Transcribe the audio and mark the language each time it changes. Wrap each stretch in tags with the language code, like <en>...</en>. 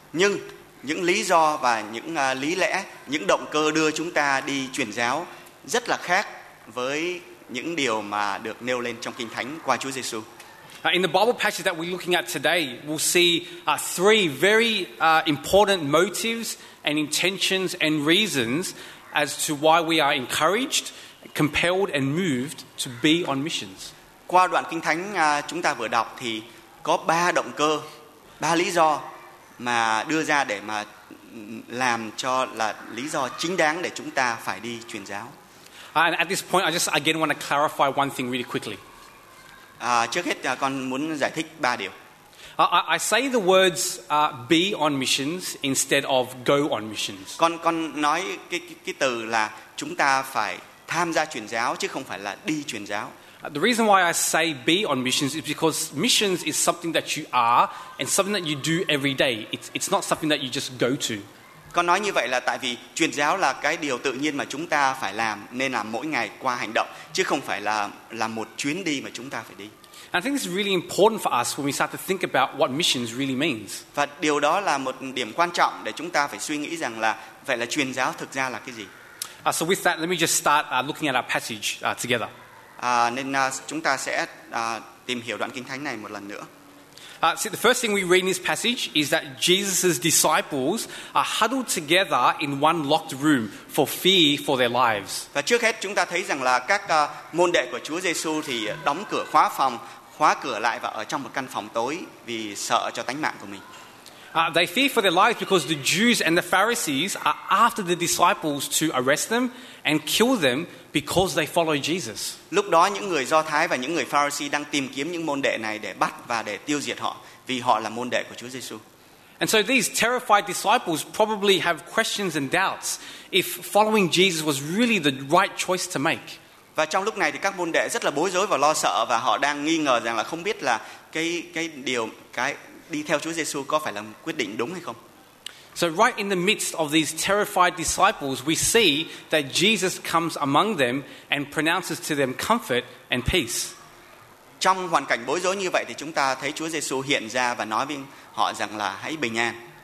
<vi>Nhưng những lý do và những lý lẽ, những động cơ đưa chúng ta đi truyền giáo rất là khác với những điều mà được nêu lên trong Kinh Thánh qua Chúa Giê-xu.</vi> <en>In the Bible passage that we're looking at today, we'll see three very important motives and intentions and reasons as to why we are encouraged, compelled and moved to be on missions.</en> <vi>Qua đoạn Kinh Thánh chúng ta vừa đọc thì có 3 động cơ, 3 lý do mà đưa ra để mà làm cho là lý do chính đáng để chúng ta phải đi truyền giáo.</vi> <en>And at this point, I just again want to clarify one thing really quickly.</en> <vi>Trước hết, con muốn giải thích 3 điều.</vi> <en>I say the words be on missions instead of go on missions.</en> <vi>Con nói cái từ là chúng ta phải tham gia truyền giáo chứ không phải là đi truyền giáo.</vi> <en>The reason why I say be on missions is because missions is something that you are and something that you do every day. It's not something that you just go to.</en> <vi>Con nói như vậy là tại vì truyền giáo là cái điều tự nhiên mà chúng ta phải làm, nên là mỗi ngày qua hành động chứ không phải là một chuyến đi mà chúng ta phải đi.</vi> <en>And I think this is really important for us when we start to think about what missions really means.</en> <vi>Và điều đó là một điểm quan trọng để chúng ta phải suy nghĩ rằng là vậy là truyền giáo thực ra là cái gì.</vi> <en>So with that, let me just start looking at our passage together.</en> <vi>Nên chúng ta sẽ tìm hiểu đoạn kinh thánh này một lần nữa.</vi> <en>So the first thing we read in this passage is that Jesus' disciples are huddled together in one locked room for fear for their lives.</en> <vi>Và trước hết chúng ta thấy rằng là các môn đệ của Chúa Giêsu thì đóng cửa khóa phòng, khóa cửa lại và ở trong một căn phòng tối vì sợ cho tánh mạng của mình.</vi> <en>They fear for their lives because the Jews and the Pharisees are after the disciples to arrest them and kill them because they follow Jesus.</en> <vi>Lúc đó những người Do Thái và những người Pharisee đang tìm kiếm những môn đệ này để bắt và để tiêu diệt họ vì họ là môn đệ của Chúa Giêsu.</vi> <en>And so these terrified disciples probably have questions and doubts if following Jesus was really the right choice to make.</en> <vi>Và trong lúc này thì các môn đệ rất là bối rối và lo sợ và họ đang nghi ngờ rằng là không biết là cái đi theo Chúa Giêsu có phải là quyết định đúng hay không.</vi> <en>So right in the midst of these terrified disciples, we see that Jesus comes among them and pronounces to them comfort and peace.</en> <vi>Trong hoàn cảnh bối rối như vậy thì chúng ta thấy Chúa Giêsu hiện ra và nói với họ rằng là hãy bình an.</vi>